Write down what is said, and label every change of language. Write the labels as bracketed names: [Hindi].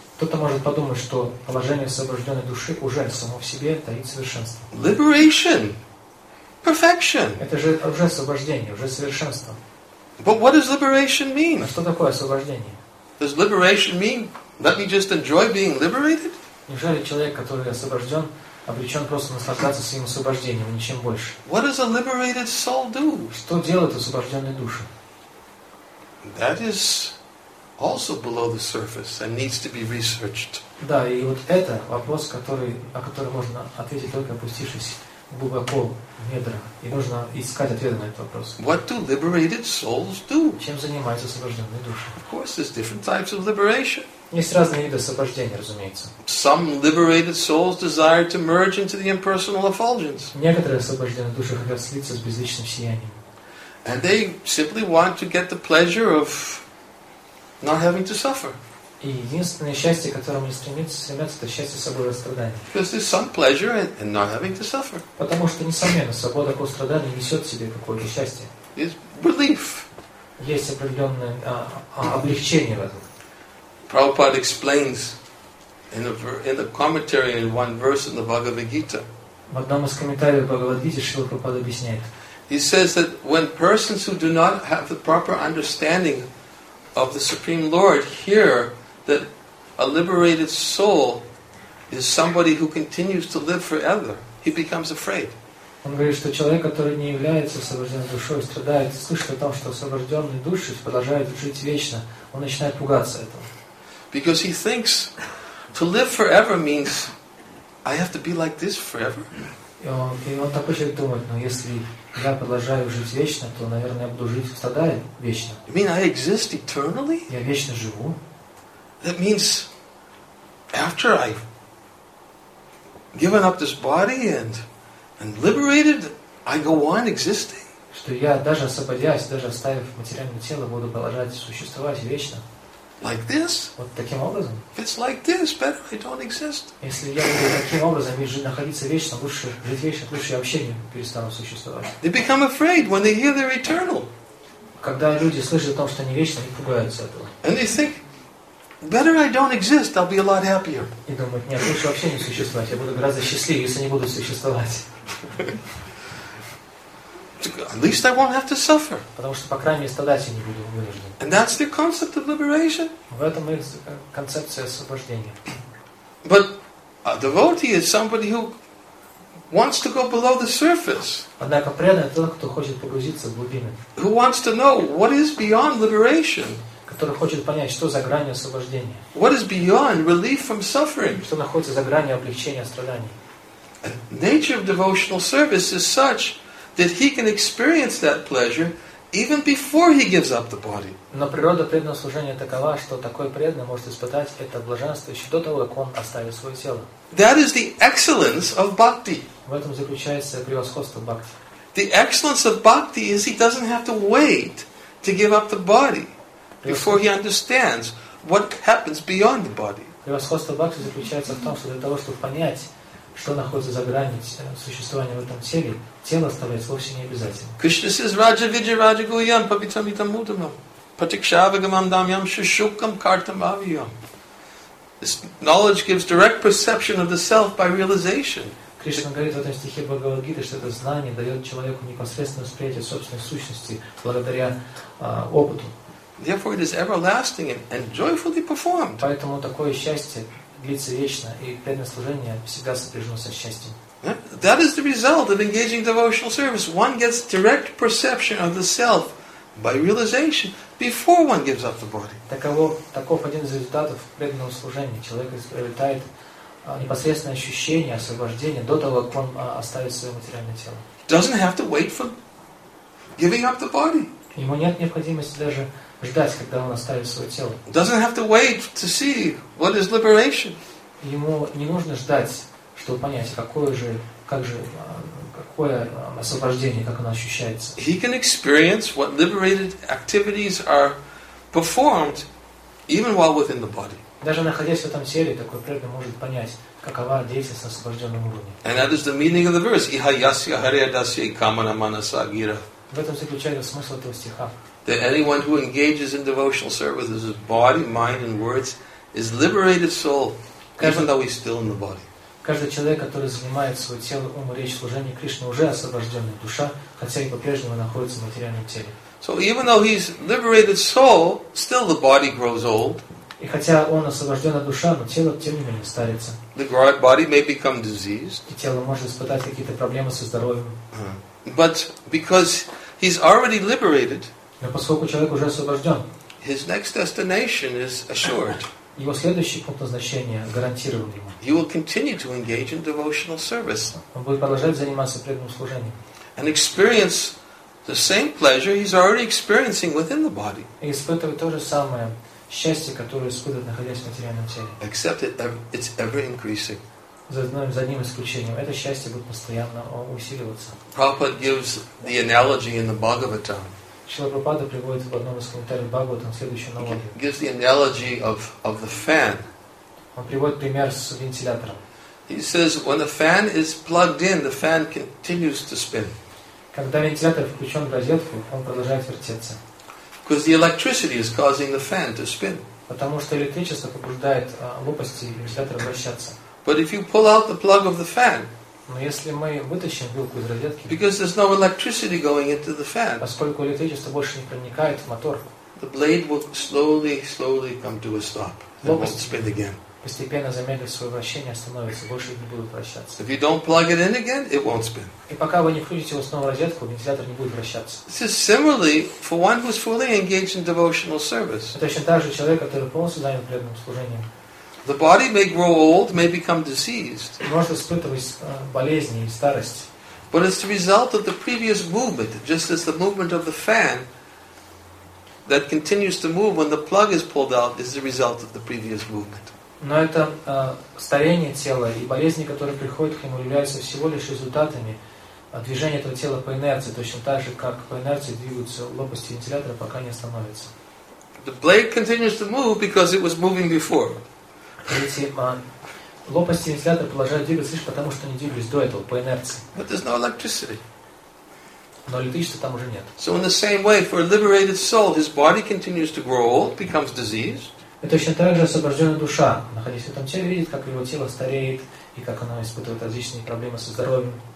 [Russian] Кто-то может подумать, что положение освобожденной души уже само в себе таит совершенство. [English] Liberation, perfection. [Russian] Это же уже освобождение, уже совершенство. [English] But what does liberation mean? [Russian] Что такое освобождение? [English] Does liberation mean let me just enjoy being liberated? [Russian] Неужели человек, который освобожден, обречен просто наслаждаться своим освобождением, ничем больше? [English] What does a liberated soul do? [Russian] Что делает освобожденная душа? [English] That is also below the surface and needs to be researched. [Russian] Да, и вот это вопрос, о котором можно ответить только опустившись глубоко в недра, и нужно искать ответы на этот вопрос. [English] What do liberated souls do? [Russian] Чем занимаются освобожденные души? [English] Of course, there's different types of liberation. [Russian] Есть разные виды освобождения, разумеется. [English] Some liberated souls desire to merge into the impersonal effulgence. [Russian] Некоторые освобожденные души хотят слиться с безличным сиянием. [English] And they simply want to get the pleasure of not having to suffer. [Russian] И единственное счастье, к которому они стремятся, это счастье свободы от страданий. [English] Because there's some pleasure in not having to suffer. [Russian] Потому что несомненно свобода от страданий несет в себе какое-то счастье. [English] It's relief. [Russian] Есть определенное облегчение в этом. [English] Prabhupada explains in the commentary in one verse in the Bhagavad Gita. [Russian] В одном из комментариев Бхагавад Гиты Шрила Прабхупада объясняет. [English] He says that when persons who do not have the proper understanding of the Supreme Lord hear that a liberated soul is somebody who continues to live forever, he becomes afraid. [Russian] Он говорит, что человек, который не является освобожденной душой, страдает, слышит о том, что освобожденные души продолжают жить вечно, он начинает пугаться этого. [English] Because he thinks to live forever means I have to be like this forever. [Russian] И он такой человек думает, но если я продолжаю жить вечно, то, наверное, я буду жить страдая вечно. [English] You mean I exist eternally? [Russian] Я вечно живу. [English] That means after I've given up this body and liberated, I go on existing. [Russian] что я, даже освободясь, даже оставив материальное тело, буду продолжать существовать вечно. [English] Like this? [Russian] Вот таким образом. [English] If it's like this, better I don't exist. [Russian] Если я буду таким образом находиться вечно, лучше жить вечно, лучше я вообще не перестану существовать. [English] They become afraid when they hear they're eternal. [Russian] Когда люди слышат о том, что они вечны, они пугаются этого. [English] And they think, better I don't exist, I'll be a lot happier. [Russian] И думают, нет, лучше вообще не существовать, я буду гораздо счастливее, если не буду существовать. [English] At least I won't have to suffer. [Russian] Потому что по крайней мере страдать я не буду вынужден. [English] And that's the concept of liberation. [Russian] В этом и концепция освобождения. [English] But a devotee is somebody who wants to go below the surface. [Russian] Однако преданный — это тот, кто хочет погрузиться в глубины. [English] Who wants to know what is beyond liberation? [Russian] Который хочет понять, что за гранью освобождения. [English] What is beyond relief from suffering? [Russian] Что находится за гранью облегчения страданий. [English] And nature of devotional service is such that he can experience that pleasure even before he gives up the body. [Russian] Но природа преданного служения такова, что такой преданный может испытать это блаженство еще до того, как он оставит свое тело. [English] That is the excellence of bhakti. [Russian] В этом заключается превосходство бхакти. [English] The excellence of bhakti is he doesn't have to wait to give up the body before he understands what happens beyond the body. [Russian] Превосходство бхакти заключается в том, что для того, чтобы понять, что находится за границей существования в этом теле, тело оставляется вовсе не обязательно. [Sanskrit] Кришна [English] says, [Sanskrit] Raja Vidya Raja Guyam Pabitamitam Mudamam Patikshavagamam Damyam Shushukam Kartam Aviyam. [English] This knowledge gives direct perception of the self by realization. [Russian] Кришна говорит в этом стихе Бхагавад-гиты, что это знание дает человеку непосредственное восприятие собственной сущности благодаря опыту. [English] Therefore it is everlasting and joyfully performed. [Russian] Поэтому такое счастье длится вечно, и преданное служение всегда сопряжено со счастьем. [English] That is the result of engaging devotional service. One gets direct perception of the self by realization before one gives up the body. [Russian] Таков один из результатов преданного служения. Человек испытывает непосредственное ощущение освобождения до того, как он оставит свое материальное тело. [English] Doesn't have to wait for giving up the body. [Russian] Ему нет необходимости даже ждать, когда он оставит свое тело. [English] Doesn't have to wait to see what is liberation. [Russian] Ему не нужно ждать, чтобы понять, какое освобождение, как оно ощущается. [English] He can experience what liberated activities are performed even while within the body. [Russian] Даже находясь в этом теле, такой преданный может понять, какова деятельность на освобожденном уровне. [English] And that is the meaning of the verse: [Sanskrit] Iha yasya hare dasya kamana manasa gira. [Russian] В этом заключается смысл этого стиха. [English] That anyone who engages in devotional service with his body, mind, and words is liberated soul, even though he's still in the body. [Russian] Каждый человек, который занимает свое тело, ум, речь, служение Кришне, уже освобожденная душа, хотя и по-прежнему находится в материальном теле. [English] So even though he's liberated soul, still the body grows old. [Russian] И хотя он освобожденная душа, но тело тем не менее старится. [English] The body may become diseased. [Russian] И тело может испытать какие-то проблемы со здоровьем. [English] But because he's already liberated, [Russian] но поскольку человек уже освобожден, [English] his next destination is assured. [Russian] Его следующий пункт назначения гарантирован ему. [English] He will continue to engage in devotional service. [Russian] Он будет продолжать заниматься преданным служением. [English] And experience the same pleasure he's already experiencing within the body. [Russian] И испытывает то же самое счастье, которое испытывает, находясь в материальном теле. [English] Except it's ever increasing. [Russian] За одним исключением. Это счастье будет постоянно усиливаться. [English] Prabhupada gives the analogy in the Bhagavatam. [Russian] Шрила Прабхупада приводит в одном из комментариев Бхагаватам следующую аналогию. [English] Gives the analogy of the fan. [Russian] Он приводит пример с вентилятором. [English] He says, when the fan is plugged in, the fan continues to spin. [Russian] Когда вентилятор включен в розетку, он продолжает вертеться. [English] Because the electricity is causing the fan to spin. [Russian] Потому что электричество побуждает лопасти вентилятора вращаться. [English] But if you pull out the plug of the fan, [Russian] но если мы вытащим вилку из розетки, [English] because there's no electricity going into the fan, [Russian] поскольку электричество больше не проникает в мотор, [English] the blade will slowly, slowly come to a stop and won't spin again. [Russian] Постепенно замедлит свое вращение, остановится, больше не будет вращаться. [English] If you don't plug it in again, it won't spin. [Russian] И пока вы не включите его снова в розетку, вентилятор не будет вращаться. [English] This is similarly for one who's fully engaged in devotional service. [Russian] Точно так же человек, который полностью занят преданным служением. [English] The body may grow old, may become diseased. [Russian] Может испытывать болезни и старость. [English] But it's the result of the previous movement, just as the movement of the fan that continues to move when the plug is pulled out is the result of the previous movement. [Russian] Но это старение тела и болезни, которые приходят к нему, являются всего лишь результатами движение этого тела по инерции, точно так же, как по инерции двигаются лопасти вентилятора, пока не остановятся. [English] The blade continues to move because it was moving before. [Russian] Видите, лопасти вентилятора продолжают двигаться лишь потому, что они двигались до этого по инерции. [English] But there's no electricity. [Russian] Но электричества там уже нет. [English] So in the same way, for a liberated soul, his body continues to grow old, becomes diseased. [Russian] И точно так же освобожденная душа, находясь в этом теле, видит, как его тело стареет и как оно испытывает различные проблемы со здоровьем.